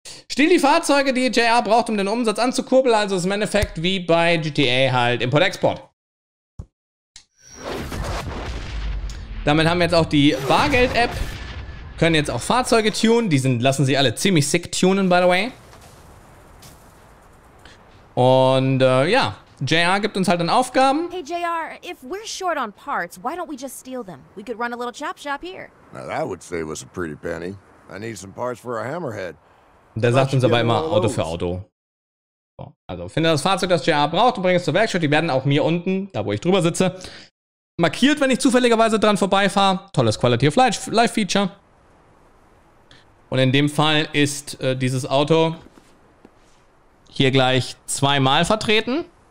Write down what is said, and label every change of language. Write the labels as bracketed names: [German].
[German] Stiehl die Fahrzeuge, die JR braucht, um den Umsatz anzukurbeln. Also ist im Endeffekt wie bei GTA halt Import-Export. Damit haben wir jetzt auch die Bargeld-App. Können jetzt auch Fahrzeuge tunen. Die sind, lassen sie alle ziemlich sick tunen, [English] by the way. [German] Und ja, JR gibt uns halt dann Aufgaben. [English] Hey JR, if we're short on parts, why don't we just steal them? We could run a little chop shop here. Now that would save us a pretty penny. I need some parts for a hammerhead. [German] Der sagt uns aber immer Auto für Auto. So, also finde das Fahrzeug, das JR braucht und bring es zur Werkstatt. Die werden auch mir unten, da wo ich drüber sitze, markiert, wenn ich zufälligerweise dran vorbeifahre. Tolles Quality of Life Feature. Und in dem Fall ist dieses Auto hier gleich zweimal vertreten.